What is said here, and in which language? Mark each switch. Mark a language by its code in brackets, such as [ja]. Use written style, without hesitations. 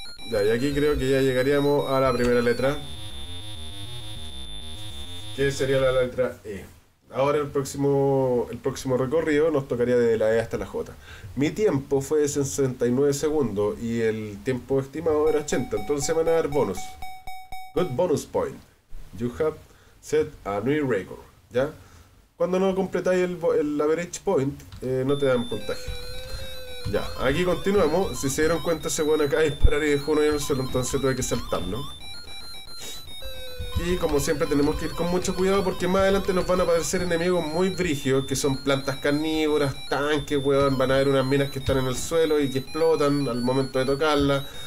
[es] Ya, y aquí creo que ya llegaríamos a la primera letra. Que sería la letra E. Ahora el próximo recorrido nos tocaría de la E hasta la J. Mi tiempo fue de 69 segundos y el tiempo estimado era 80, entonces se van a dar bonus. [en] Good bonus point. You have set a new record. [es] ¿Ya? Cuando no completáis el average point, no te dan puntaje. Ya, aquí continuamos. Si se dieron cuenta, se fueron acá a disparar y dejó uno en el suelo, entonces tuve que saltarlo. Y como siempre tenemos que ir con mucho cuidado porque más adelante nos van a aparecer enemigos muy brígidos que son plantas carnívoras, tanques, weón, van a haber unas minas que están en el suelo y que explotan al momento de tocarlas.